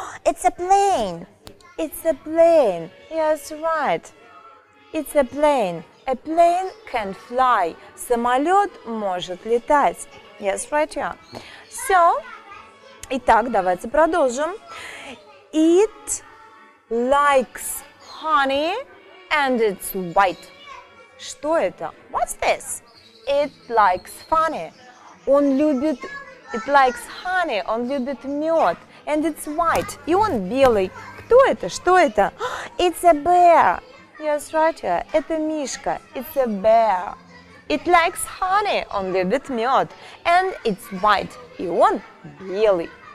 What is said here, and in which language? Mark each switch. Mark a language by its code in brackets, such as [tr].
[en] It's a plane. It's a plane. Yes, right. It's a plane. A plane can fly. [ru] Самолет может летать. [en] Yes, right, yeah. So, [ru] итак, давайте продолжим. [en] It likes honey and it's white. [ru] Что это? [en] What's this? It likes honey. [ru] Он любит, [en] it likes honey, [ru] он любит мед, [en] and it's white, [ru] и он белый. Кто это? Что это? [en] It's a bear. Yes, right, yeah. [ru] Это мишка. [en] It's a bear. It likes honey, [ru] он любит мед, [en] and it's white, [ru] и он белый.